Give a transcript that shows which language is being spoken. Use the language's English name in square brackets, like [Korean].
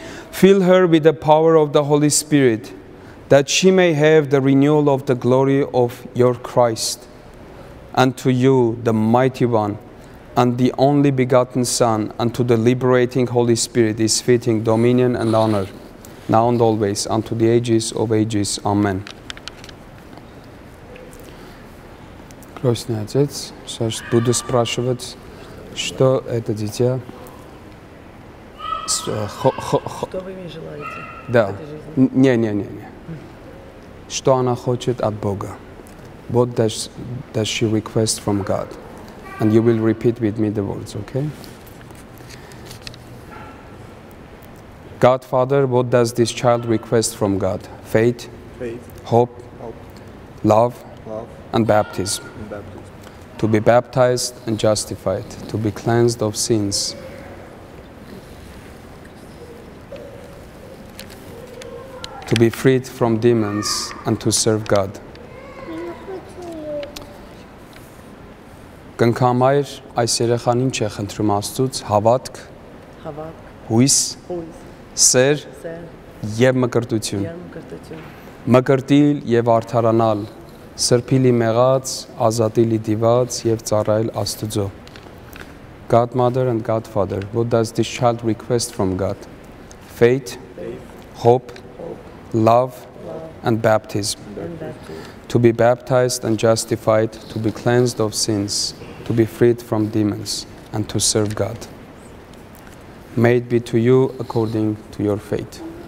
[English] Fill her with the power of the Holy Spirit, that she may have the renewal of the glory of your Christ. And to you, the mighty one, and the only begotten Son, and to the liberating Holy Spirit is fitting dominion and honor, now and always, unto the ages of ages. Amen. [Russian] Крестный отец, сейчас буду спрашивать, что это дитя? Что вы ей желаете? Да. Не. Что она хочет от Бога? [English] What does she request from God? And you will repeat with me the words, okay? God, Father, what does this child request from God? Faith. Hope. Love. And baptism. To be baptized and justified. To be cleansed of sins. To be freed from demons and to serve God. [Armenian] Կնքամայր այս երեխան ինչ է խնդրում Աստծուց հավատք հույս սեր եւ մկրտություն մկրտիլ եւ արդարանալ սրբիլի մեղած ազատիլի դիված եւ ծառայել Աստծո [English] God mother and God father what does this child request from God faith hope love and baptism to be baptized and justified to be cleansed of sins to be freed from demons and to serve God. May it be to you according to your faith.